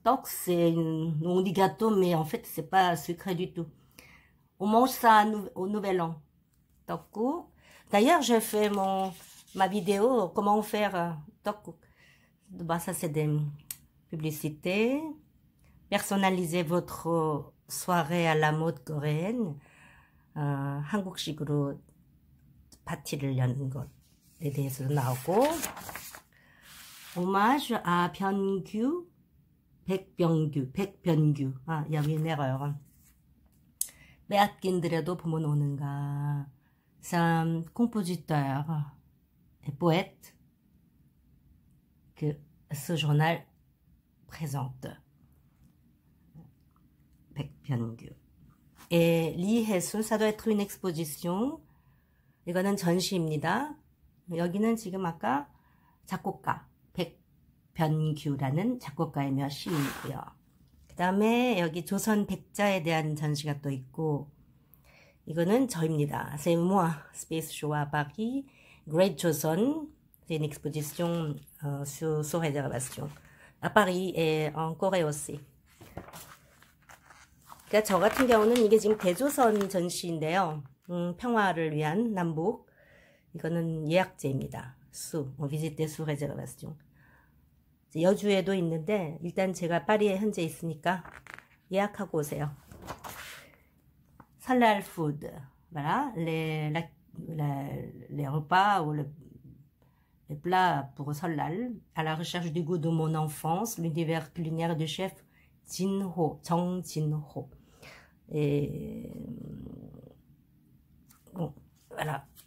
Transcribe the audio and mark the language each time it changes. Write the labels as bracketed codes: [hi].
[fr] Tteok, c'est on dit gâteau, mais en fait, c'est pas sucré du tout. On mange ça au nouvel an. Tteokguk. D'ailleurs, j'ai fait ma vidéo comment faire tteokguk. Bah, ça, c'est des publicités. Personnalisez votre soirée à la mode coréenne, [ko] 한국식으로 파티를 여는 것에 대해서도 나오고, 오마주 아 변규, 백병규, 백변규, 아, 여기 내가요. 빼앗긴들에도 봄은 오는가. [fr] C'est un compositeur, et poète que ce journal présente. Et Lee-hae-soon, ça doit être une exposition. [ko] 이거는 전시입니다. 여기는 지금 아까 작곡가 백변규라는 작곡가의 몇 시인이고요. 그다음에 여기 조선 백자에 대한 전시가 또 있고, 이거는 저입니다. [fr] C'est moi, Space Show à Paris, Great 조선. C'est une exposition sous réservation à Paris et en Corée aussi. [ko] 그러니까 저 같은 경우는 이게 지금 대조선 전시인데요. 평화를 위한 남북. 이거는 예약제입니다. [fr] 수, 비지떼 수 레저베라시옹. [ko] 여주에도 있는데 일단 제가 파리에 현재 있으니까 예약하고 오세요. 설날 푸드. 봐라. [fr] Les repas ou les plats pour 설날. À la recherche du goût de mon enfance, l'univers culinaire du chef Jinho, 정진호. Et bon, Voilà.